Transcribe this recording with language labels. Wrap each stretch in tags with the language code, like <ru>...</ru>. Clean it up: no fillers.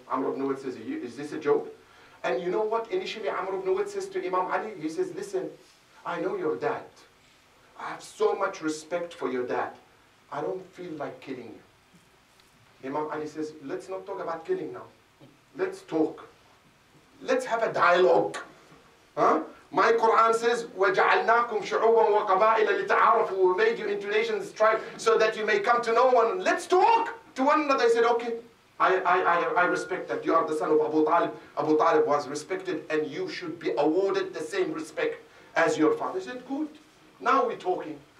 <en>Amr ibn Wad says, is this a joke? And you know what? Initially, Amr ibn Wad says to Imam Ali, he says, listen, I know your dad. I have so much respect for your dad. I don't feel like killing you. Imam Ali says, let's not talk about killing now. Let's talk. Let's have a dialogue. Huh? My Quran says,</en> <ar>وَجَعَلْنَاكُمْ شُعُوبًا وَقَبَائِلَ لِتَعَارَفُوا.</ar> <en>We made you into nations, tribe, so that you may come to know one. Let's talk to one another. I said, okay. I respect that you are the son of Abu Talib. Abu Talib was respected, and you should be awarded the same respect as your father. He said, good. Now we're talking.</en>